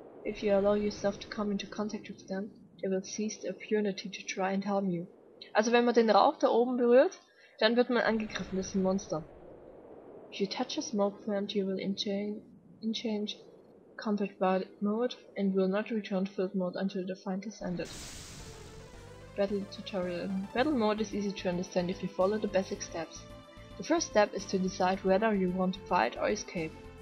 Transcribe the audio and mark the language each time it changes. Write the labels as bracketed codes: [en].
[en] If you allow yourself to come into contact with them, they will seize the opportunity to try and harm you. [de] Also wenn man den Rauch da oben berührt, dann wird man angegriffen, das ist ein Monster. [en] If you touch a smoke plant, you will change Combat Mode and will not return to Field Mode until the fight has ended. Battle Tutorial. Battle Mode is easy to understand if you follow the basic steps. The first step is to decide whether you want to fight or escape.